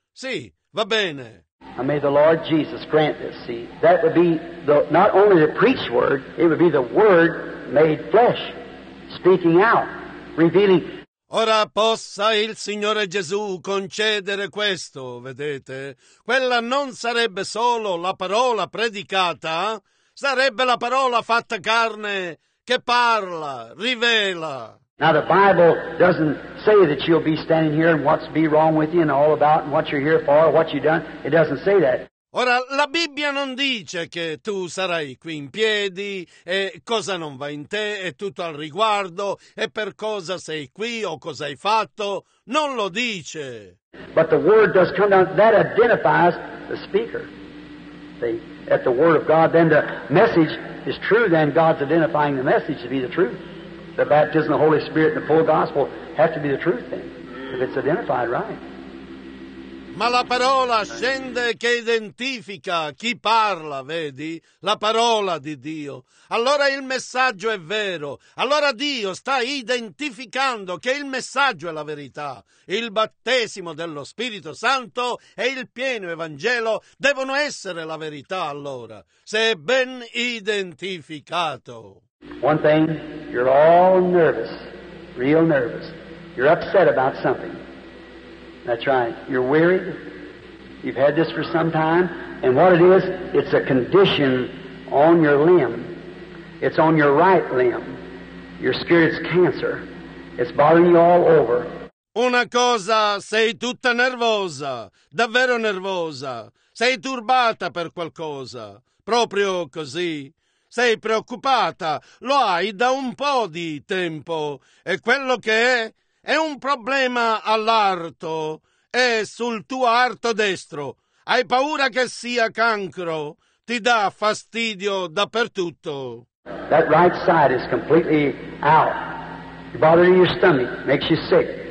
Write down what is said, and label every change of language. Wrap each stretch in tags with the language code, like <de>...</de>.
<it>Sì, va bene.</it> <en>And may the Lord Jesus grant this. See, that would be the, not only the preached word, it would be the word made flesh, speaking out, revealing.</en> <it>Ora possa il Signore Gesù concedere questo, vedete? Quella non sarebbe solo la parola predicata, sarebbe la parola fatta carne che parla, rivela.</it> <en>Now the Bible doesn't say that you'll be standing here and what's be wrong with you and all about and what you're here for, what you've done. It doesn't say that.</en> <it>Ora, la Bibbia non dice che tu sarai qui in piedi e cosa non va in te e tutto al riguardo e per cosa sei qui o cosa hai fatto. Non lo dice.</it> <en>But the Word does come down. That identifies the speaker. See, at the Word of God, then the message is true. Then God's identifying the message to be the truth. The baptism of the Holy Spirit and the full gospel have to be the truth then, if it's identified right.</en> <it>Ma la parola scende che identifica chi parla, vedi? La parola di Dio. Allora il messaggio è vero. Allora Dio sta identificando che il messaggio è la verità. Il battesimo dello Spirito Santo e il pieno Evangelo devono essere la verità allora, se è ben identificato.</it> <en>One thing, you're all nervous, real nervous. You're upset about something. That's right. You're weary. You've had this for some time. And what it is, it's a condition on your limb. It's on your right limb. Your spirit's cancer. It's bothering you all over.</en> <it>Una cosa, sei tutta nervosa, davvero nervosa. Sei turbata per qualcosa, proprio così. Sei preoccupata, lo hai da un po' di tempo. E quello che è un problema all'arto, è sul tuo arto destro. Hai paura che sia cancro, ti dà fastidio dappertutto.</it> <en>That right side is completely out. You're bothering your stomach, makes you sick.</en>